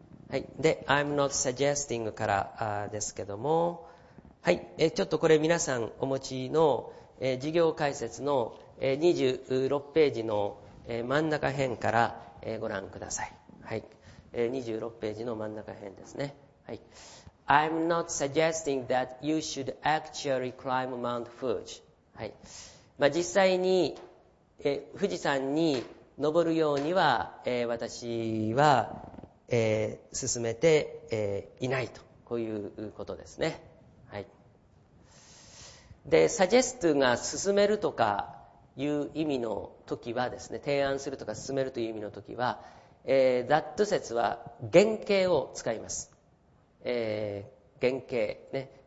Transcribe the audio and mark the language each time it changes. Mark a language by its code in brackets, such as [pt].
[ja] はい、で、 [en] I'm not suggesting [ja] からですけども、はい、ちょっとこれ皆さんお持ちの、事業解説の、26ページの、真ん中辺から、ご覧ください、はい。 26ページの真ん中辺ですね、はい。 [en] I'm not suggesting that you should actually climb Mount Fuji、はい。 [ja] まあ、実際に、富士山に登るようには、私は進めて、いないと、こういうことですね、はい。で、suggest が進めるとかいう意味の時はですね、提案するとか進めるという意味の時は、that 説は原型を使います、原型ね。